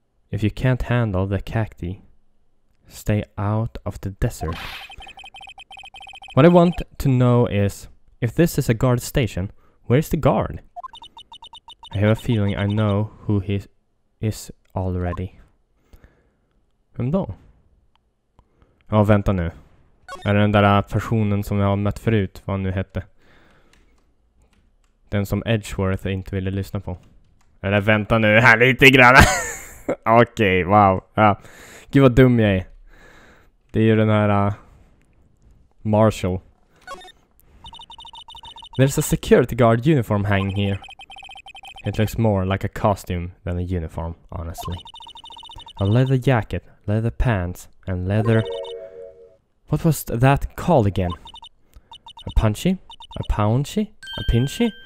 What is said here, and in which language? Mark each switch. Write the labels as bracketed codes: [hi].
[en] If you can't handle the cacti, stay out of the desert. What I want to know is, if this is a guard station, where's the guard? I have a feeling I know who he is already. [sv] Vem då? Ja, vänta nu. Är det den där personen som jag har mött förut, vad han nu hette? Den som Edgeworth inte ville lyssna på. Eller vänta nu här lite grann. Okej, wow. Ja. Gud vad dum jag är. Det är ju den här Marshall. [en] There's a security guard uniform hanging here. It looks more like a costume than a uniform, honestly. A leather jacket, leather pants, and leather... What was that called again? A punchy? A pouncy? A pinchy?